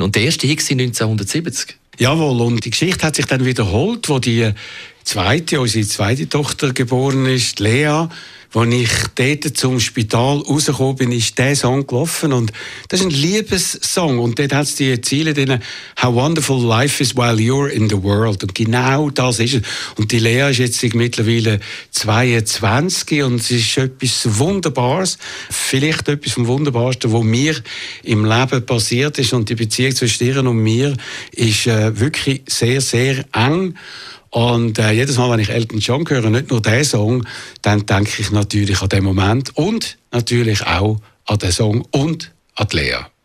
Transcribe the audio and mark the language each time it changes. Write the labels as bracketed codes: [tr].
[de] Und der erste Hit war 1970. Jawohl, und die Geschichte hat sich dann wiederholt, wo die zweite, unsere zweite Tochter geboren ist, Lea. Als ich dort zum Spital rausgekommen bin, ist der Song gelaufen. Und das ist ein Liebessong. Und dort hat es die Ziele drin. [en] How wonderful life is while you're in the world. [de] Und genau das ist es. Und die Lea ist jetzt mittlerweile 22 und es ist etwas Wunderbares. Vielleicht etwas vom Wunderbarsten, was mir im Leben passiert ist. Und die Beziehung zwischen ihr und mir ist wirklich sehr, sehr eng. Und jedes Mal, wenn ich Elton John höre, nicht nur diesen Song, dann denke ich natürlich an den Moment und natürlich auch an den Song und an die Lea.